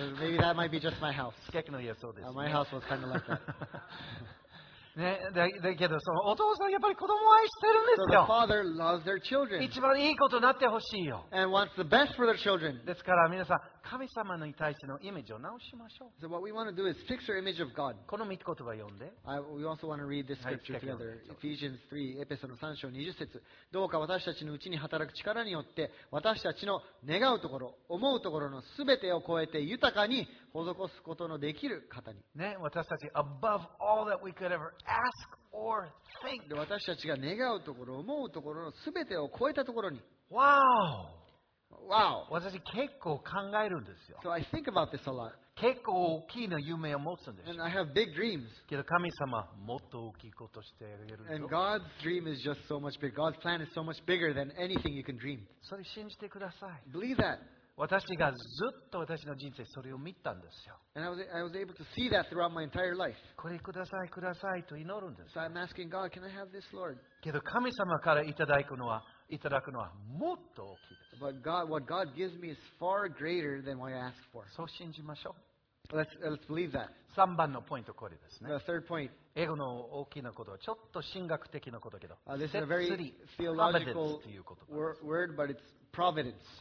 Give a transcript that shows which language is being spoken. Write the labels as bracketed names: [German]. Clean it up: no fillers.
[English] Maybe that might be just my house. [Japanese] スケクの家そうです、ね。 [English] My house was kind of like that. [Japanese] ね、だけどそのお父さんやっぱり子供を愛してるんですよ。 [English] So、the father loves their children. [Japanese] 一番いいことになってほしいよ。 [English] And wants the best for their children. [Japanese] ですから皆さん神様に対してのイメージを直しましょう。 [English] So what we want to do is fix our image of God. [Japanese] この御言葉を読んで。 [English] We also want to read this scripture together. [Japanese] Ephesians 3, エペソの3章20節。どうか私たちのうちに働く力によって私たちの願うところ、思うところのすべてを超えて豊かに施すことのできる方に。ね、私たち [English] above all that we could ever ask or think. [Japanese] で、私たちが願うところ、思うところのすべてを超えたところに。 [English] Wow! Wow. [Japanese] 私結構考えるんですよ。 [English] So I think about this a lot. [Japanese] 結構大きな夢を持つんです。 [English] And I have big dreams. [Japanese] けど神様もっと大きいことしてあげるよ。 [English] And God's dream is just so much bigger. God's plan is so much bigger than anything you can dream. [Japanese] それ信じてください。 [English] Believe that. [Japanese] 私がずっと私の人生それを見たんですよ。 [English] And I was able to see that throughout my entire life. [Japanese] これくださいくださいと祈るんです。 [English] So I'm asking God, can I have this, Lord? [Japanese] けど神様からいただくのはもっと大きいです。 [English] But God, what God gives me is far greater than what I ask for. [Japanese] そう信じましょう。 [English] Let's believe that. [Japanese] 3番のポイントこれですね。 [English] The third point. [Japanese] 英語の大きなことはちょっと神学的なことだけど。 [English] This is a very theological word, but it's providence.